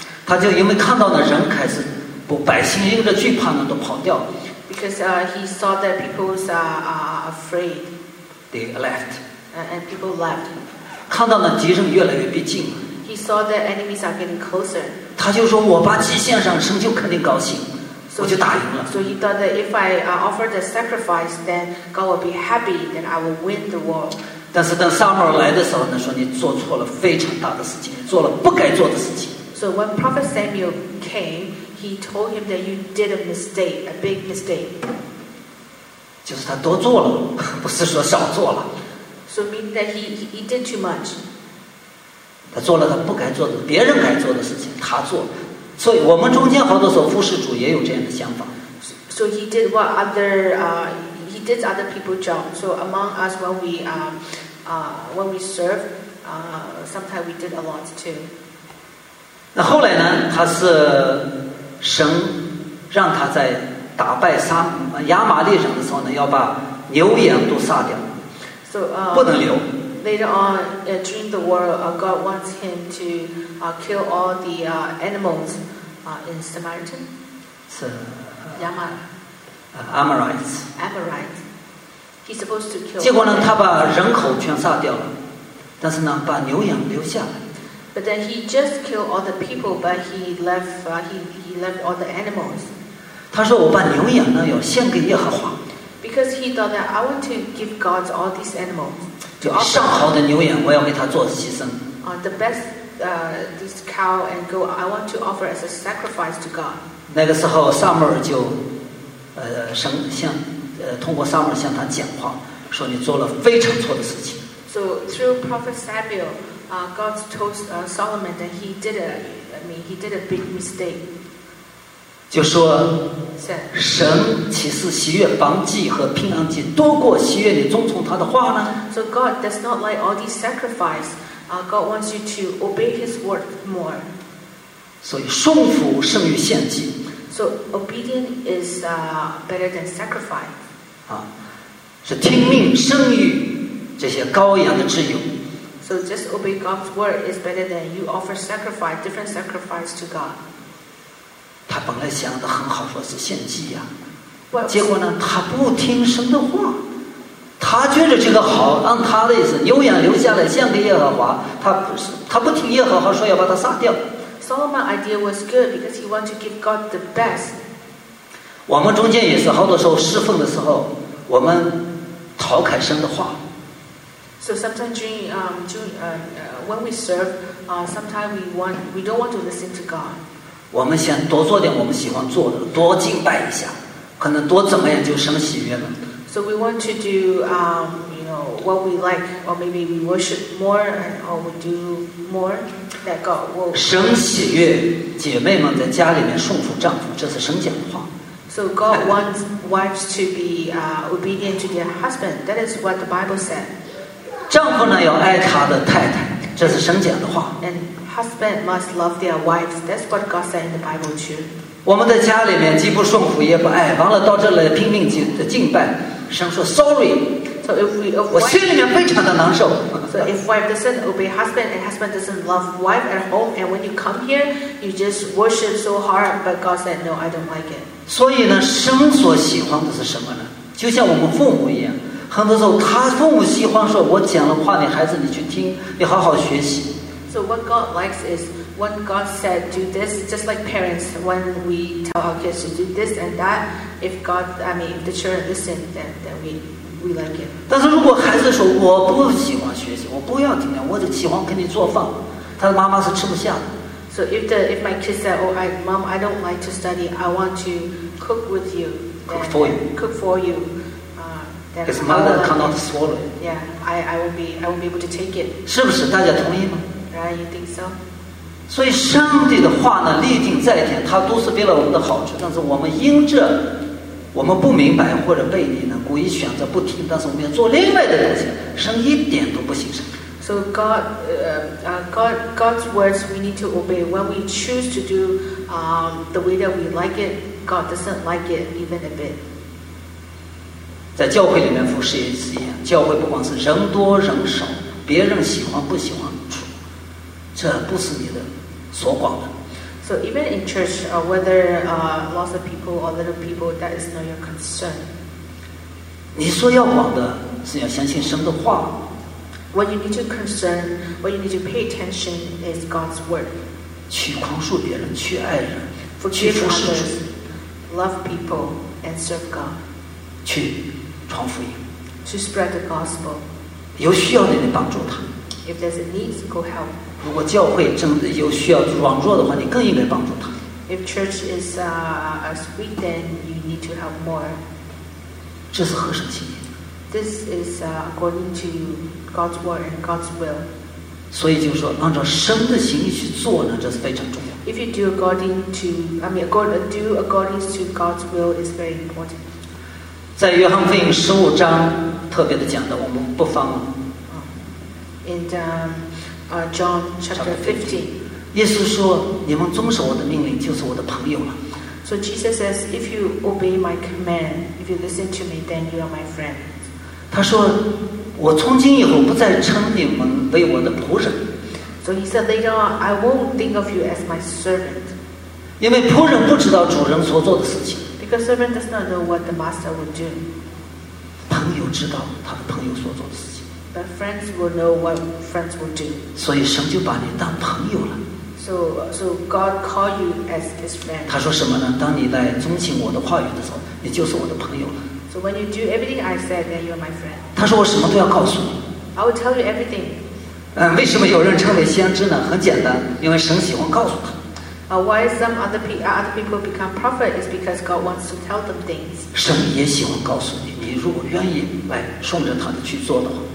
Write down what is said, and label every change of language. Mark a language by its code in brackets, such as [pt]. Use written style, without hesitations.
[zh] 他就因为看到了人开始不百姓因着惧怕呢都跑掉。 [en] Because he saw that people's afraid. They left. And people left. [zh] 看到了敌人越来越逼近。 [en] He saw that enemies are getting closer. [zh] 他就说我把祭献上神就肯定高兴 [en] so, [zh] 我就打赢了 [en] so he thought that if I offer the sacrifice then God will be happy then I will win the war [zh] 但是等撒母耳来的时候呢说你做错了非常大的事情做了不该做的事情 [en] so when prophet Samuel came he told him that you did a mistake a big mistake [zh] 就是他多做了不是说少做了 [en] so mean that he did too much [zh] 他做了他不该做的别人该做的事情他做所以我们中间好多时候服侍主也有这样的想法 [en] so he did what other he did other people's job so among us when we serve sometimes we did a lot too [zh] 那后来呢他是神让他在打败亚玛力人的时候呢要把牛羊都杀掉 [en] so, [zh] 不能留 [en] Later on, during the war, God wants him to kill all the animals in Samaritan. So, Yaman. Amorites. Amorites. He's supposed to kill. [zh] 结果呢，他把人口全杀掉了，但是呢，把牛羊留下来。 [en] But then he just killed all the people, but he left all the animals. [zh] 他说：“我把牛羊呢要献给耶和华。” [en] Because he thought that I want to give God all these animals. [zh] 就上好的牛羊，我要为他做牺牲。 [en] The best this cow and goat, I want to offer as a sacrifice to God. [zh] 那个时候，撒母耳就，神向，通过撒母耳向他讲话，说你做了非常错的事情。 [en] So through Prophet Samuel, God told Solomon that he did a big mistake. [zh] 就说，神岂是喜悦燔祭和平安祭多过喜悦你遵从他的话呢 [en] ？So God does not like all these sacrifices. God wants you to obey His word more. [zh] 所以顺服胜于献祭。 [en] So obedience is better than sacrifice. [zh] 是听命胜于这些羔羊的脂油。 [en] So just obey God's word is better than you offer sacrifice, different sacrifice to God. [zh] 他本来想得很好，说是献祭呀。结果呢，他不听神的话，他觉得这个好，按他的意思，牛羊留下来献给耶和华。他不听耶和华说要把他杀掉。 [en] Solomon's idea was good because he wanted to give God the best. [zh] 我们中间也是好多时候侍奉的时候，我们逃开神的话。 [en] So sometimes when we serve, sometimes we don't want to listen to God. [zh] 我们想多做点我们喜欢做的，多敬拜一下，可能多怎么样就什么喜悦了。 [en] So we want to do, what we like, or maybe we worship more, or we do more that God will. [zh] 神喜悦姐妹们在家里面顺服丈夫，这是神讲的话。 [en] So God wants wives to be obedient to their husband. That is what the Bible said. [zh] 丈夫呢要爱他的太太，这是神讲的话。 [en] And husband must love their wives. That's what God said in the Bible too. [zh] 我们在家里面既不顺服也不爱，完了到这里拼命敬拜，神说 [en] sorry。 So if we if [zh] 我心里面非常的难受。 [en] So if wife doesn't obey husband and husband doesn't love wife at home and when you come here you just worship so hard but God said no I don't like it. [zh] 所以呢，神所喜欢的是什么呢？就像我们父母一样。很多时候他父母喜欢说我讲的话你孩子你去听你好好学习。 [en] So what God likes is when God said do this just like parents when we tell our kids to do this and that if God I mean if the children listen then we like it. [zh] 但是如果孩子说我不喜欢学习我不要听我就喜欢给你做饭他的妈妈是吃不下的。 [en] So if my kids said oh I, mom I don't like to study I want to cook with you cook for youHis mother cannot swallow. Yeah, I won't be able to take it. [zh] 是不是大家同意吗？ [en] Right, you think so? [zh] 所以上帝的话呢，立定在天，他都是为了我们的好处。但是我们因着我们不明白或者背离呢，故意选择不听。但是我们要做另外的东西，神一点都不欣赏。 [en] So God's words we need to obey. When we choose to do the way that we like it, God doesn't like it even a bit. [zh] 在教会里面服侍也是一样，教会不管是人多人少，别人喜欢不喜欢，这不是你的所管的。 [en] So even in church, whether lots of people or little people, that is not your concern. [zh] 你说要管的是要相信神的话。 [en] What you need to concern, what you need to pay attention is God's word. [zh] 去宽恕别人，去爱人， [en] Forgive、 [zh] 去服侍主， [en] love people and serve God. [zh] 去传福音 [en] to spread the gospel [zh] 有需要的人帮助他 [en] if there's a need go help [zh] 如果教会真的有需要软弱的话你更应该帮助他 [en] if church is as weak then you need to help more [zh] 这是合神心意 [en] this is according to God's word and God's will [zh] 所以就是说按照神的心意去做呢这是非常重要 [en] if you do according to I mean do according to God's will is very important [zh] 在约翰福音十五章特别的讲的，我们不妨。 [en] In John chapter 15, [zh] 耶稣说：“你们遵守我的命令，就是我的朋友了。” [en] So Jesus says, "If you obey my command, if you listen to me, then you are my friend." [zh] 他说：“我从今以后不再称你们为我的仆人。” [en] So he said later on, "I won't think of you as my servant." [zh] 因为仆人不知道主人所做的事情。 [en] Because servant does not know what the master would do. [zh] 朋友知道他的朋友所做的事情。 [en] But friends will know what friends will do. [zh] 所以神就把你当朋友了。 [en] So God call you as his friend. [zh] 他说什么呢？当你来遵行我的话语的时候，你就是我的朋友了。 [en] So when you do everything I said, then you're my friend. [zh] 他说我什么都要告诉你。 [en] I will tell you everything. [zh] 为什么有人称为先知呢？很简单，因为神喜欢告诉他。 [en] Why some other people become prophet is because God wants to tell them things. [zh] 神也喜欢告诉你，你如果愿意来顺着他的去做的话。